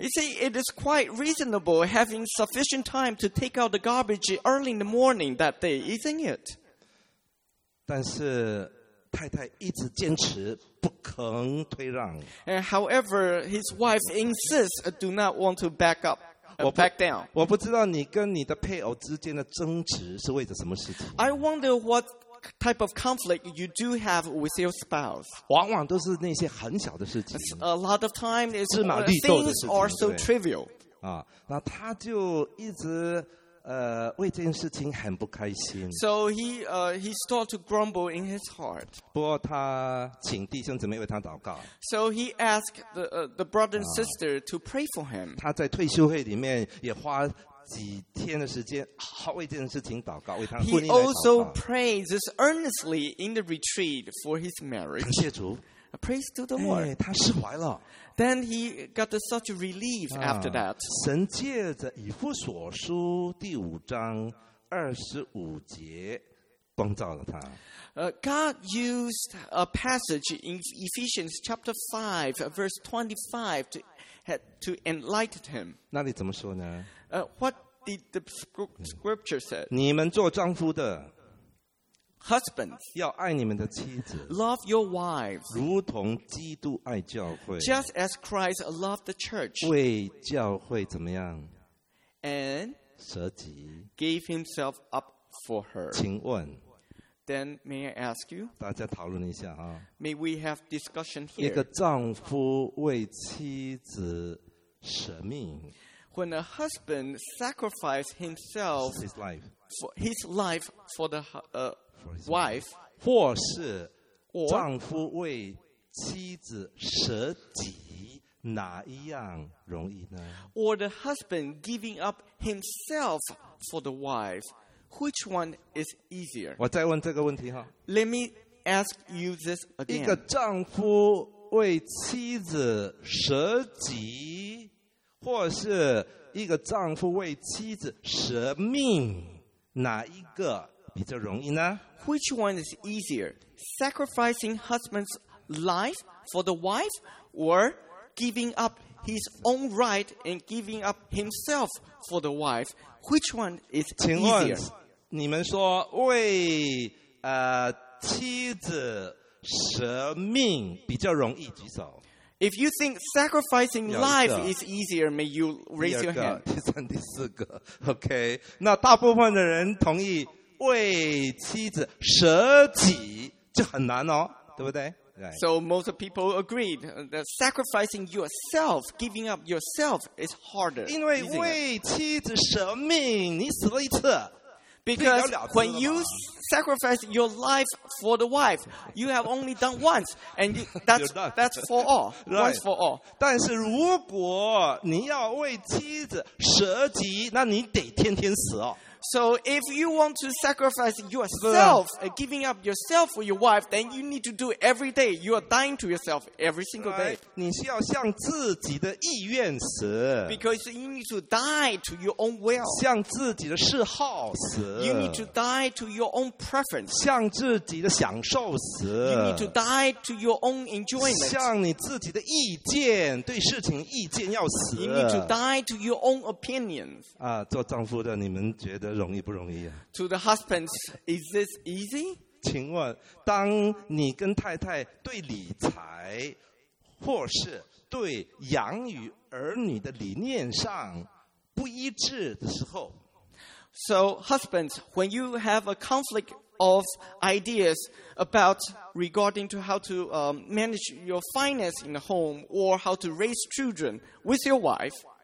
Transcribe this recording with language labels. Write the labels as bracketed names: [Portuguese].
[English] You see, it is quite reasonable having sufficient time to take out the garbage early in the morning that day, isn't it? [Chinese] 但是太太一直坚持不肯退让。 [English] And however, his wife insists do not want to back up, back down. [Chinese] 我不知道你跟你的配偶之间的争执是为了什么事情。 [English] I wonder what type of conflict you do have with your spouse. [Chinese] 往往都是那些很小的事情。 [English] A lot of time, it's things are so trivial. [Chinese] 啊，那他就一直为这件事情很不开心。 [English] So he started to grumble in his heart. [Chinese] 不过他请弟兄姊妹为他祷告。 [English] So he asked the brother and sister to pray for him. [Chinese] 他在退休会里面也花几天的时间，好为这件事情祷告，为他婚姻来祷告。 [English] He also prays earnestly in the retreat for his marriage. [Chinese] 感谢主。 [English] Praise to the Lord. [Chinese] 他释怀了。 [English] Then he got such relief after that. [Chinese] 神借着以弗所书第五章二十五节光照了他。 [English] God used a passage in Ephesians chapter 5, verse 25 to enlighten him. [Chinese] 那里怎么说呢？ [English] What did the scripture say? [Chinese] 你们做丈夫的。 [English] Husbands, [Chinese] 要爱你们的妻子, [English] love your wives, [Chinese] 如同基督爱教会, [English] just as Christ loved the church, [Chinese] 为教会怎么样? [English] And [Chinese] 舍己, [English] gave himself up for her. [Chinese] 请问, [English] then may I ask you, [Chinese] 大家讨论一下啊, [English] may we have discussion here? [Chinese] 一个丈夫为妻子舍命, [English] when a husband sacrificed himself, his life for the wife, [Chinese] 或是丈夫为妻子舍己，哪一样容易呢？ [English] Or the husband giving up himself for the wife, which one is easier? [Chinese] 我再问这个问题哈。 [English] Let me ask you this again. [Chinese] 一个丈夫为妻子舍己，或是一个丈夫为妻子舍命，哪一个比较容易呢？ [English] Which one is easier? Sacrificing husband's life for the wife or giving up his own right and giving up himself for the wife? Which one is easier? [Chinese] 请问你们说为妻子舍命比较容易举手。 [English] If you think sacrificing life is easier, may you raise your hand. [Chinese] 第三、第四个 OK。那大部分的人同意为妻子舍己就很难哦，对不对？ [English] So most people agreed that sacrificing yourself, giving up yourself is harder. [Chinese] 因为为妻子舍命，你死了一次。 [English] Because when you sacrifice your life for the wife, you have only done once, and that's for all, once for all. [Chinese] 但是如果你要为妻子舍己，那你得天天死哦。 [English] So if you want to sacrifice yourself, giving up yourself for your wife, then you need to do it every day. You are dying to yourself every single day. [Chinese] 你需要向自己的意愿死。 [English] Because you need to die to your own will. [Chinese] 向自己的嗜好死。 [English] You need to die to your own preference. [Chinese] 向自己的享受死。 [English] You need to die to your own enjoyment. [Chinese] 向你自己的意见，对事情意见要死。 [English] You need to die to your own opinions. [Chinese] 啊，做丈夫的，你们觉得容易不容易啊？ [English] To the husbands, is this easy? [Chinese] 请问，当你跟太太对理财，或是对养育儿女的理念上不一致的时候 [English] ，So husbands, when you have a conflict of ideas about regarding to how to manage your finance in the home or how to raise children with your wife，